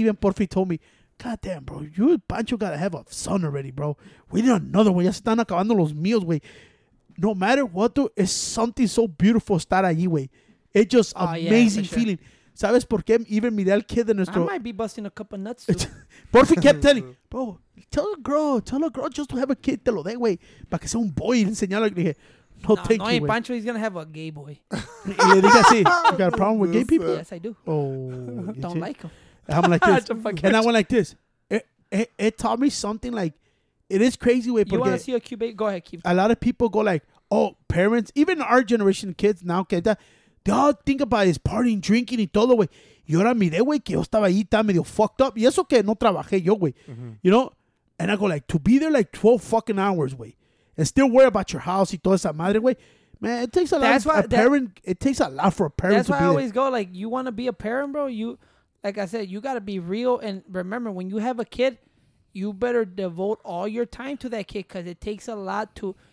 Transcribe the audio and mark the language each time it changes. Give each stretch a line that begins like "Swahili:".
English: Even Porfi told me, God damn, bro, you and Pancho gotta have a son already, bro. We need another one.
Spanish: Ya se están acabando los míos, güey.
English: No matter what, dude, it's something so beautiful
Spanish: estar allí,
English: güey. It's just amazing feeling. ¿Sabes por qué? Even
Spanish: miré al kid de nuestro...
English: I might be busting a couple nuts, por fin kept telling, bro, tell a girl just to have a kid,
Spanish: te lo de,
English: güey.
Spanish: Para que sea un boy y enseñarle. Y dije,
English: no, thank you,
Spanish: güey.
English: No, Pancho, he's going to have a gay boy.
Spanish: Y le dije así,
English: you got a problem with gay people? Yes, I do. Oh, don't like him. I'm like this. And I went like this. It taught me something like, it is crazy, güey. You want to see a cute baby? Go ahead, keep going. A lot of people go like, oh, parents, even our generation of kids now, que they all think about is partying, drinking,
Spanish: y todo,
English: güey.
Spanish: Y ahora miré, güey, que yo estaba ahí, estaba medio fucked up. Y eso que no trabajé yo, güey.
English: Mm-hmm. You know? And I go, like, to be there, like, 12 fucking hours, güey. And still worry about your house
Spanish: y toda esa madre,
English: güey. Man, it takes a lot for a parent. It takes a lot for a parent to be there. That's why I always go, like, you want to be a parent, bro? You, like I said, you got to be real. And remember, when you have a kid, you better devote all your time to that kid because it takes a lot to...